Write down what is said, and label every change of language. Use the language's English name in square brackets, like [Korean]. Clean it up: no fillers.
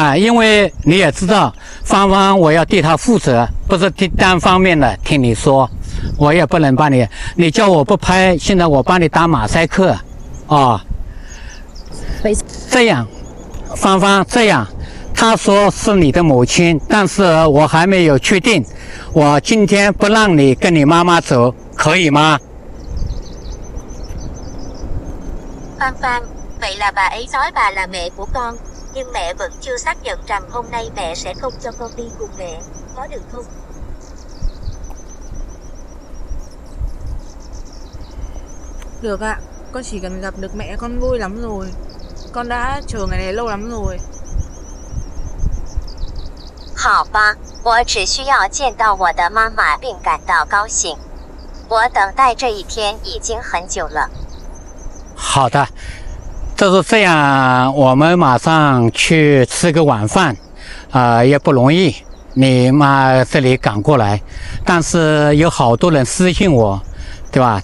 [Chinese] 因为你也知道，芳芳，我要对她负责，不是单方面的听你说，我也不能把你，你叫我不拍，现在我帮你打马赛克，啊、哦。这样，芳芳，这样，她说是你的母亲，但是我还没有确定，我今天不让你跟你妈妈走。可以吗？ [Vietnamese] 芳芳，vậy là bà ấy nói bà là mẹ của con, nhưng mẹ vẫn chưa xác nhận rằng hôm nay mẹ sẽ không cho con đi cùng mẹ, có được không? Được ạ, con chỉ cần gặp được mẹ con vui lắm rồi. Con đã chờ ngày này lâu lắm rồi. [Chinese] 好吧，我只需要见到我的妈妈并感到高兴。我等待这一天已经很久了。好的，就是这样，我们马上去吃个晚饭，也不容易，你妈这里赶过来，但是有好多人私信我，对吧？